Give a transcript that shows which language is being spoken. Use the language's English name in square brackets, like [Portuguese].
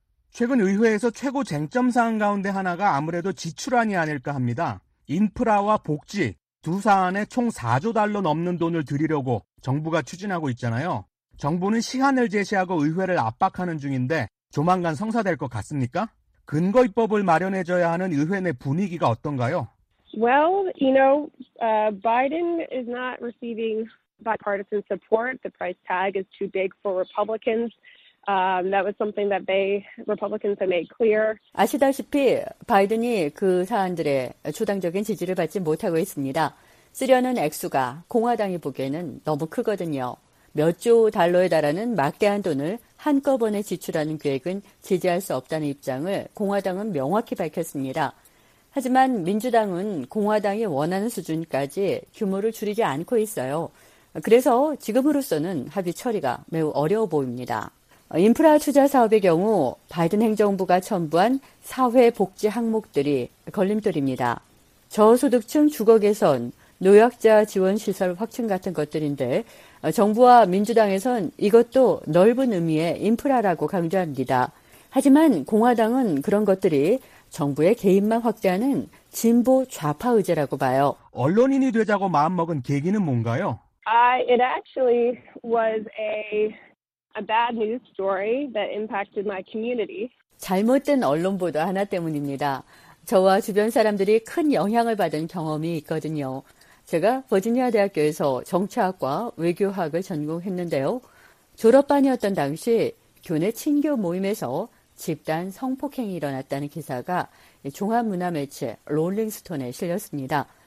[Korean] 최근 의회에서 최고 쟁점 사안 가운데 하나가 아무래도 지출안이 아닐까 합니다. 인프라와 복지 두 사안에 총 4조 달러 넘는 돈을 들이려고 정부가 추진하고 있잖아요. 정부는 시한을 제시하고 의회를 압박하는 중인데 조만간 성사될 것 같습니까? 근거 입법을 마련해줘야 하는 의회 내 분위기가 어떤가요? [English] Well, you know, Biden is not receiving bipartisan support. The price tag is too big for Republicans. That was something that they Republicans have made clear. [Korean] 아시다시피 바이든이 그 사안들의 초당적인 지지를 받지 못하고 있습니다. 쓰려는 액수가 공화당이 보기에는 너무 크거든요. 몇 조 달러에 달하는 막대한 돈을 한꺼번에 지출하는 계획은 지지할 수 없다는 입장을 공화당은 명확히 밝혔습니다. 하지만 민주당은 공화당이 원하는 수준까지 규모를 줄이지 않고 있어요. 그래서 지금으로서는 합의 처리가 매우 어려워 보입니다. 인프라 투자 사업의 경우 바이든 행정부가 첨부한 사회복지 항목들이 걸림돌입니다. 저소득층 주거 개선, 노약자 지원 시설 확충 같은 것들인데 정부와 민주당에선 이것도 넓은 의미의 인프라라고 강조합니다. 하지만 공화당은 그런 것들이 정부의 개입만 확대하는 진보 좌파 의제라고 봐요. 언론인이 되자고 마음먹은 계기는 뭔가요? [English] It actually was a bad news story that impacted my community. [Korean] 잘못된 언론 보도 하나 때문입니다. 저와 주변 사람들이 큰 영향을 받은 경험이 있거든요. 제가 버지니아 대학교에서 정치학과 외교학을 전공했는데요. 졸업반이었던 당시 교내 친교 모임에서 집단 성폭행이 일어났다는 기사가 종합문화매체 롤링스톤에 실렸습니다.